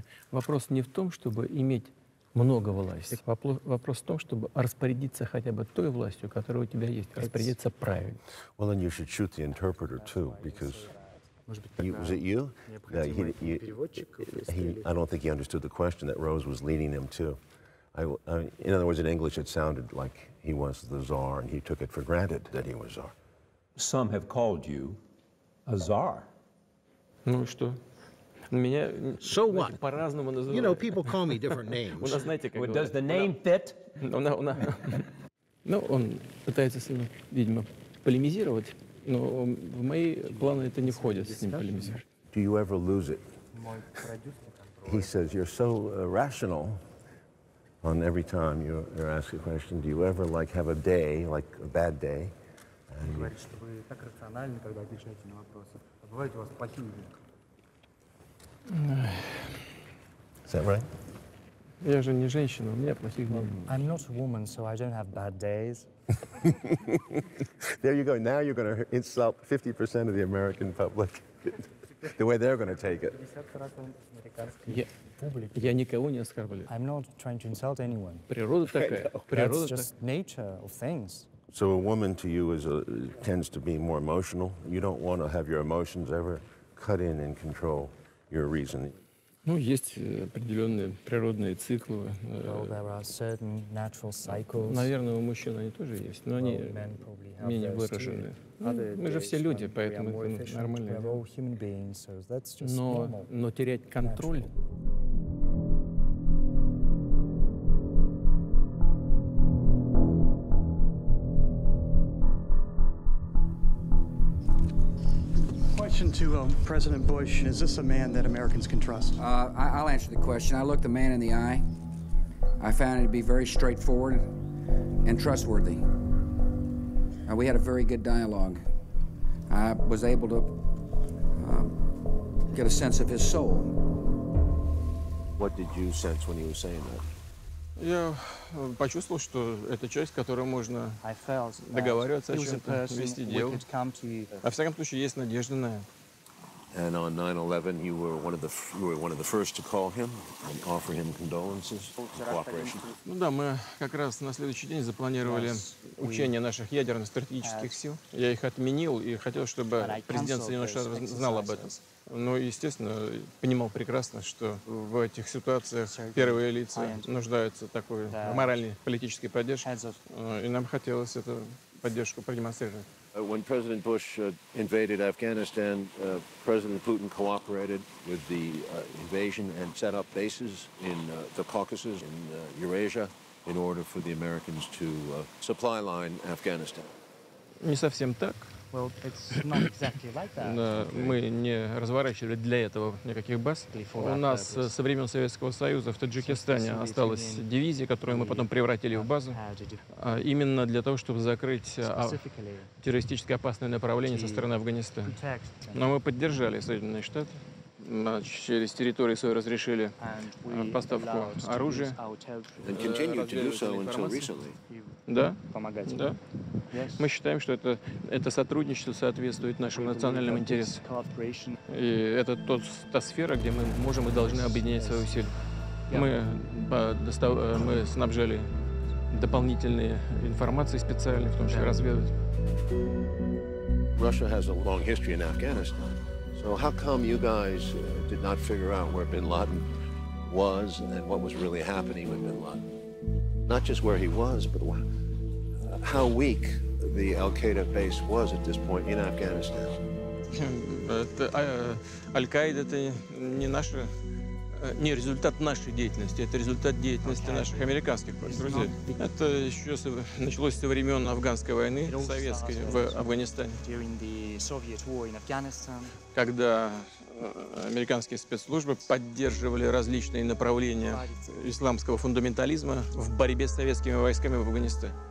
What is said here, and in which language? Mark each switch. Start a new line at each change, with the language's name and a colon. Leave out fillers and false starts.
Russian: Вопрос не в том, чтобы иметь много власти. Вопрос в том, чтобы распорядиться хотя бы той властью, которая у тебя есть, распорядиться правильно.
English: Well, then you should shoot the interpreter too, because... Was it you? I don't think he understood the question that Rose was leading him to. In other words, in English, it sounded like he was the czar, and he took it for granted that he was czar. Some have called you a czar.
Russian: Ну что? Меня
English: so what?
Russian: По-разному называют.
English: You know, people call me different names.
Russian: У нас, знаете, как
English: does the name fit?
Russian: Ну, он пытается с ним, видимо, полемизировать, но в мои планы это не входит с ним полемизировать.
English: Do you ever lose it? He says you're so rational. On every time you're asked a question, do you ever like have a day, like a bad day? Is that right?
Russian: Я же не женщина, у меня плохих дней.
English: I'm not a woman, so I don't have bad days. There you go. Now you're going to insult 50% of the American public. The way they're going to take it.
Russian: Я никого не оскорблю.
English: I'm not trying to insult anyone.
Russian: Природа такая.
English: That's just nature of things. So a woman to you tends to be more emotional. You don't want to have your emotions ever cut in and control your reason.
Russian: Ну, есть определенные природные циклы.
English: Well, there are certain natural cycles.
Russian: Наверное, у мужчин они тоже есть, но они менее выражены. Ну, мы же все люди, поэтому это нормально. Но терять контроль...
English: To President Bush, is this a man that Americans can trust? I'll answer the question. I looked the man in the eye. I found it to be very straightforward and trustworthy. We had a very good dialogue. I was able to get a sense of his soul. What did you sense when he was saying that?
Russian: Я почувствовал, что это человек, с которым можно договариваться о чем-то, вести дело. Во всяком случае, есть надежда на это.
English: And on 9/11, you were one of the first to call him and offer him condolences and cooperation.
Russian: Ну да, мы как раз на следующий день запланировали учения наших ядерных стратегических сил. Я их отменил и хотел, чтобы президент Соединенных Штатов знал об этом. Но, естественно, понимал прекрасно, что в этих ситуациях первые лица нуждаются в такой моральной политической поддержке. И нам хотелось эту поддержку продемонстрировать.
English: When President Bush invaded Afghanistan, President Putin cooperated with the invasion and set up bases in the Caucasus in Eurasia in order for the Americans to supply line Afghanistan.
Russian: Не совсем так.
English: Well, it's not exactly like that.
Russian: Мы не разворачивали для этого никаких баз. У нас со времен Советского Союза в Таджикистане осталась дивизия, которую мы потом превратили в базу, именно для того, чтобы закрыть террористически опасное направление со стороны Афганистана. Но мы поддержали Соединенные Штаты. Через территорию свою разрешили поставку оружия.
English: And continue to do so until recently.
Russian: Да. Помогать. Да.
English: Yes.
Russian: Мы считаем, что это сотрудничество соответствует нашим национальным интересам. И это та сфера, где мы можем и должны объединять свои усилия. Мы снабжали дополнительные информации специальные, в том числе разведывательные.
English: Russia has a long history in Afghanistan. So how come you guys did not figure out where bin Laden was and what was really happening with bin Laden? Not just where he was, but how weak the Al-Qaeda base was at this point in Afghanistan.
Russian: Al-Qaeda — это не наша не результат нашей деятельности, это результат деятельности наших американских друзей. Это еще началось со времен Афганской войны, советской, в Афганистане. Когда американские спецслужбы поддерживали различные направления исламского фундаментализма в борьбе с советскими войсками в Афганистане.